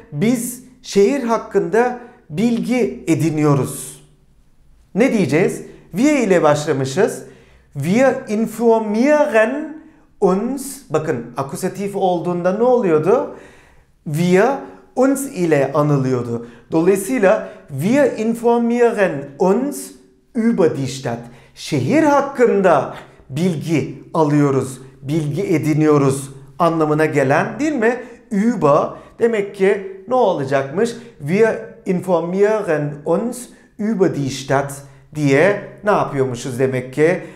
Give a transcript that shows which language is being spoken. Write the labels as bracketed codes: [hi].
[tr] Biz şehir hakkında bilgi ediniyoruz. Ne diyeceğiz? Wir ile başlamışız. [de] Wir informieren [tr] uns, bakın akusatif olduğunda ne oluyordu? Wir uns ile anılıyordu. [de] Dolayısıyla wir informieren uns über die Stadt. [tr] Şehir hakkında bilgi alıyoruz, bilgi ediniyoruz anlamına gelen, değil mi? Über, demek ki ne olacakmış? [de] Wir informieren uns über die Stadt [tr] diye ne yapıyormuşuz demek ki?